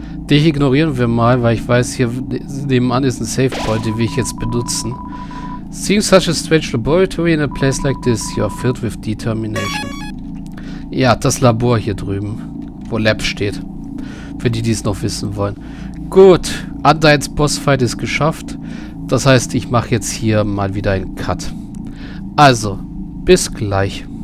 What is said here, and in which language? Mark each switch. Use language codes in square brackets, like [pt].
[de] Dich ignorieren wir mal, weil ich weiß, hier nebenan ist ein Safe Point, den will ich jetzt benutzen. [en] Seeing such a strange laboratory in a place like this, you're filled with determination. [de] Ja, das Labor hier drüben, wo Lab steht. Für die, die es noch wissen wollen. Gut, Undynes Bossfight ist geschafft. Das heißt, ich mache jetzt hier mal wieder einen Cut. Also, bis gleich.